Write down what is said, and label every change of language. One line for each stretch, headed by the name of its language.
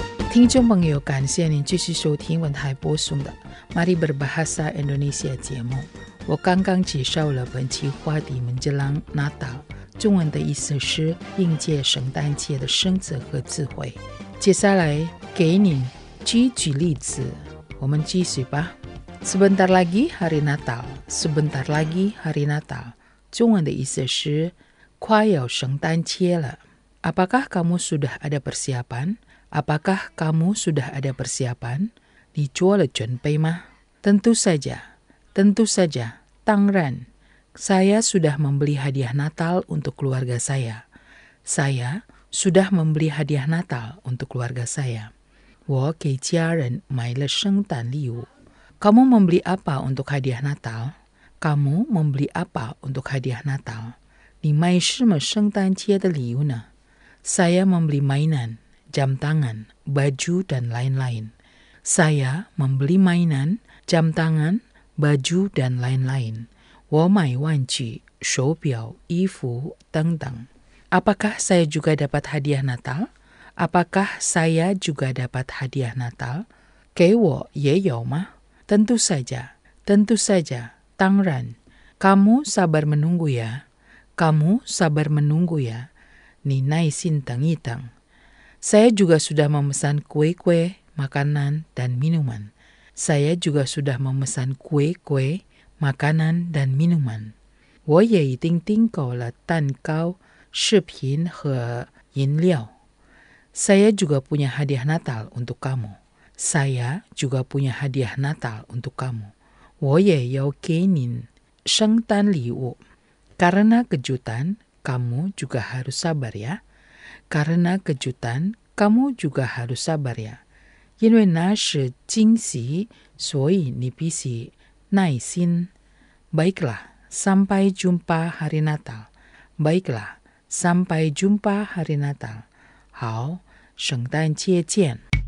Chinese: 听众朋友，感谢您继续收听文台播送的 Mari Berbahasa Indonesia 节目。我刚刚介绍了本期话题 Menjelang Natal，中文的意思是应届圣诞节的生字和智慧。接下来给您举举例子，我们继续吧。
Indonesian: Sebentar lagi hari Natal， Sebentar lagi hari Natal，
Chinese: 中文的意思是快要圣诞节了。
Indonesian: Apakah kamu sudah ada persiapan？ Apakah kamu sudah ada persiapan？
Chinese: 你做了准备吗？
Indonesian: Tentu saja， Tentu saja，
Chinese: 当然。
Indonesian: Saya sudah membeli hadiah Natal untuk keluarga saya. Saya sudah membeli hadiah Natal untuk keluarga saya.
Chinese: 我给家人买了圣诞礼物。
Indonesian: Kamu membeli apa untuk hadiah Natal? Kamu membeli apa untuk hadiah Natal?
Chinese: 你买什么圣诞节的礼物呢？
Indonesian: Saya membeli mainan, jam tangan, baju, dan lain-lain. Saya membeli mainan, jam tangan, baju, dan lain-lain.
Chinese: 我买玩具、手表、衣服等等。
Indonesian: Apakah saya juga dapat hadiah Natal? Apakah saya juga dapat hadiah Natal?
Chinese: 给我也有吗？
Indonesian: Tentu saja, tentu saja,
Chinese: 当然。
Indonesian: Kamu sabar menunggu ya, kamu sabar menunggu ya,
Chinese: 你耐心等一等。
Indonesian: Saya juga sudah memesan kue-kue, makanan, dan minuman. Saya juga sudah memesan kue-kue,makanan dan minuman.
Chinese: 我也已经订购了蛋糕、食品和饮料。
Indonesian: Saya juga punya hadiah Natal untuk kamu. Saya juga punya hadiah Natal untuk kamu.
Chinese: 我也要给您圣诞礼物。
Indonesian: Karena kejutan, kamu juga harus sabar ya. Karena kejutan, kamu juga harus sabar ya.
Chinese: 因为那是惊喜，所以你必须耐心。
Indonesian: Baiklah, sampai jumpa hari Natal. Baiklah, sampai jumpa hari Natal.
Chinese: 好，圣诞节见。